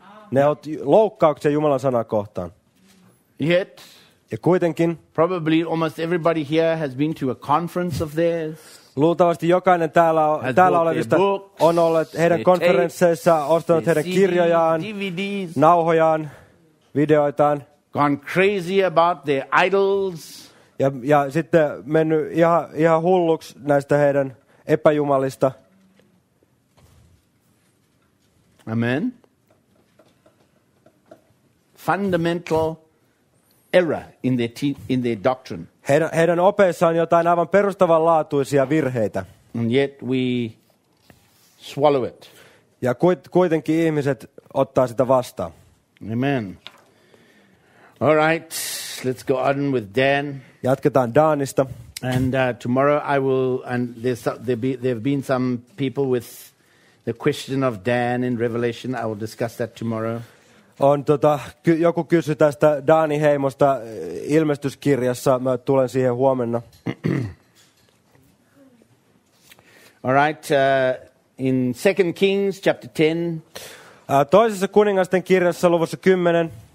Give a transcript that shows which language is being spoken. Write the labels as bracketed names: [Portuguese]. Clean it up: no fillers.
[Finnish] Ne ovat loukkauksia Jumalan sanaa kohtaan. [English] Yet. [Finnish] Ja kuitenkin. [English] Probably almost everybody here has been to a conference of theirs. [Finnish] Luultavasti jokainen täällä olevista on ollut heidän konferensseissa, ostanut heidän kirjojaan, [English] DVDs, [Finnish] nauhojaan, videoitaan. [English] Gone crazy about their idols. [Finnish] Ja sitten mennyt ihan hulluksi näistä heidän epäjumalista. [English] Amen. Fundamental error in their doctrine. [Finnish] Heidän opeissa on jotain aivan perustavanlaatuisia virheitä. [English] And yet we swallow it. [Finnish] Ja kuitenkin ihmiset ottaa sitä vastaan. [English] Amen. All right, let's go on with Dan. [Finnish] Jatketaan Danista. [English] And tomorrow I will, and there've been some people with the question of Dan in Revelation. I will discuss that tomorrow. [Finnish] On joku kysyi tästä Daani Heimosta ilmestyskirjassa. Mä tulen siihen huomenna. [English] All right, in 2 Kings chapter 10. [Finnish] Toisessa kuningasten kirjassa luvussa 10.